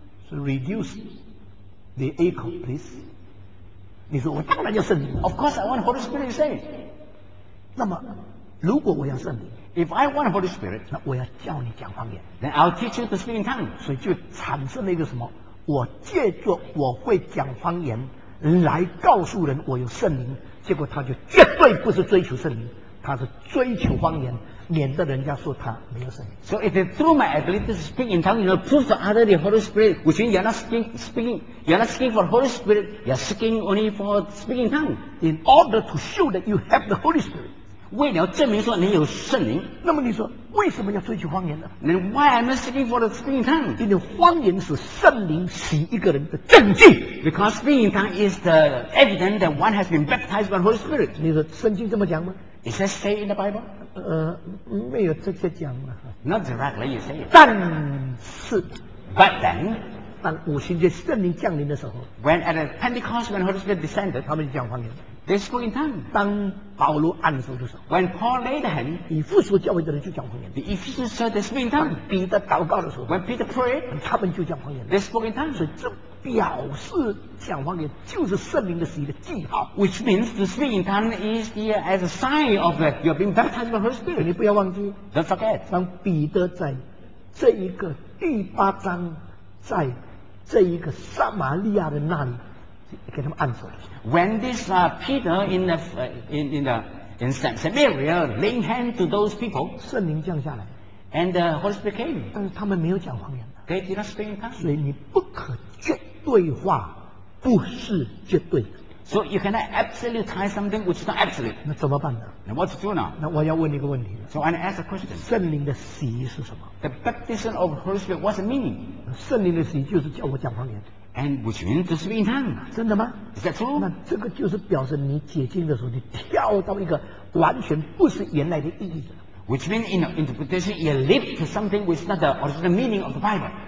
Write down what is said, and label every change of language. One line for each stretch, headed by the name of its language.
English: So reduce the echo, please.
Chinese: 你说我当然要圣灵。
English: Of course, I want the Holy Spirit. You say.
Chinese: 那么，如果我要圣灵
English: ，If I want the Holy Spirit,
Chinese: 那我要教你讲方言。
English: Then I'll teach you to speak in tongues.
Chinese: 所以就产生了一个什么？我借着我会讲方言来告诉人我有圣灵，结果他就绝对不是追求圣灵，他是追求方言。免得人家说他没有圣灵。
English: So if through my ability to speak in tongues, you know, prove to others the Holy Spirit, which means you're not speaking, you're not seeking for Holy Spirit, you're seeking only for speaking tongues. In order to show that you have the Holy Spirit,
Chinese: 为了证明说你有圣灵。那么你说为什么要追求方言呢
English: ？Then why am I seeking for the speaking tongues?
Chinese: 因为方言是圣灵洗一个人的证据。
English: Because speaking tongues is the evidence that one has been baptized by the Holy Spirit.
Chinese: 你说圣经这么讲吗
English: ？Is that say in the Bible?
Chinese: 没有这些讲啊。
English: Not directly, you say.
Chinese: 但是
English: ，But then，
Chinese: 当五旬节圣灵降临的时候
English: ，When at Pentecost when Holy Spirit descended，
Chinese: 他们就讲方言。
English: They spoke in tongues.
Chinese: 当保罗按手的时候
English: ，When Paul laid hand，
Chinese: 以弗所教会的人就讲方言。
English: The Ephesians said they spoke in tongues.
Chinese: 彼得祷告的时候
English: ，When Peter prayed，
Chinese: 他们就讲方言。
English: They spoke in tongues.
Chinese: 所以这表示讲方言就是圣灵的洗的记号
English: ，which means to speak in tongues is here as a sign of that you're being baptized by the Holy Spirit.
Chinese: 你不要忘记
English: ，Don't forget，
Chinese: 当彼得在这一个第八章，在这一个撒玛利亚的那里。给他们按手。
English: When this Peter in Samaria laying hand to those people,
Chinese: 圣灵降下来
English: ，and the Holy Spirit came.
Chinese: 但是他们没有讲方言。
English: They did not speak in tongues.
Chinese: 所以你不可绝对化，不是绝对的。
English: So you cannot absolutize something which is not absolute.
Chinese: 那怎么办呢？
English: Now what to do now?
Chinese: 那我要问一个问题。
English: So I want to ask a question.
Chinese: 圣灵的洗是什么？
English: The baptism of Holy Spirit, what's the meaning?
Chinese: 圣灵的洗就是叫我讲方言。
English: And which means to speak in tongues.
Chinese: 真的吗？
English: Is that true?
Chinese: 那这个就是表示你解经的时候，你跳到一个完全不是原来的意义的。
English: Which means in interpretation, you leap to something which is not the original meaning of the Bible.